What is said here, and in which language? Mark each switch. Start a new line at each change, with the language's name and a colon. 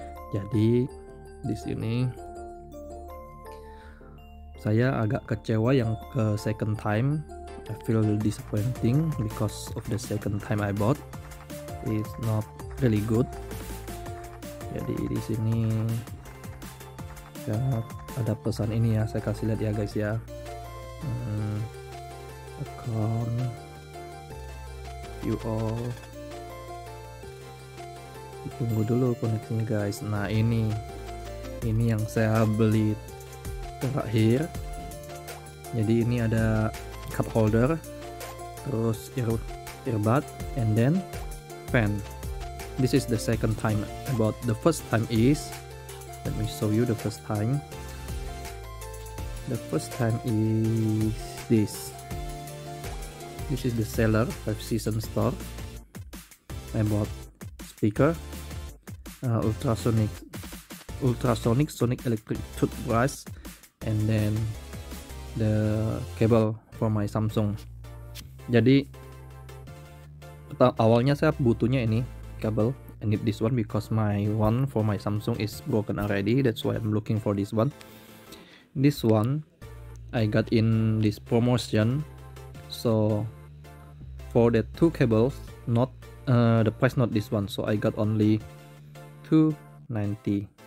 Indonesian: Jadi di sini saya agak kecewa yang ke
English: second time. I feel disappointing because of the second time I bought, it's not really good.
Indonesian: Jadi di sini ya, ada pesan ini ya, saya kasih lihat ya guys ya.
English: Account you all,
Indonesian: tunggu dulu koneksinya guys. Nah ini yang saya beli terakhir. Jadi ini ada cup holder, terus earbud,
English: and then fan. This is the second time I bought. The first time is, let me show you the first time. The first time is this. This is the seller, Five Seasons store. I bought speaker, ultrasonic sonic electric toothbrush, and then the cable for my Samsung.
Indonesian: Jadi awalnya saya butuhnya ini kabel.
English: I need this one because my one for my Samsung is broken already. That's why I'm looking for this one. This one I got in this promotion. So for the two cables, not the price not this one, so I got only $2.90.